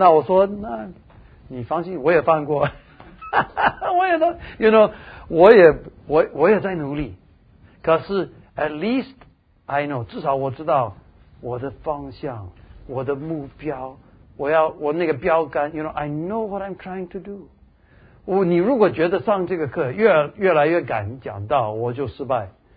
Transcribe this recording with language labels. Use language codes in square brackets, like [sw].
[zh] 那我说，那你放心，我也犯过。我也都 [en] you know, [zh] 我也在努力，可是 [en] At least I know, [zh] 至少我知道我的方向，我的目标，我那个标杆 , [en] you know, I know what I'm trying to do. [zh] 你如果觉得上这个课越来越敢讲道，我就失败。